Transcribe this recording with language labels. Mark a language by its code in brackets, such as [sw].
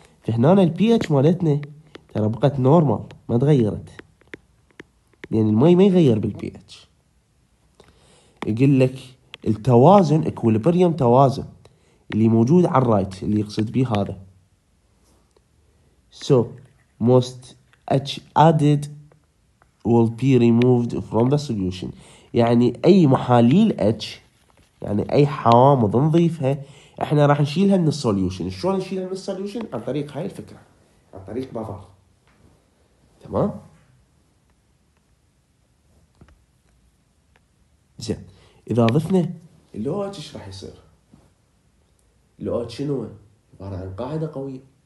[ar] فهنا ال pH مالتنا ترى بقت نورمال، ما تغيرت، يعني المي ما يغير بال pH. يقول لك التوازن، إكوليبريوم توازن اللي موجود على الرايت اللي يقصد به هذا. [en] So most H added will be removed from the solution. [ar] يعني أي محاليل H، يعني أي حوامض نضيفها إحنا راح نشيلها من السوليوشن. شلون نشيلها من السوليوشن؟ عن طريق هاي الفكرة، عن طريق بافر. تمام؟ زين، إذا ضفنا الـOH إيش راح يصير؟ الـOH شنو؟ عبارة عن قاعدة قوية.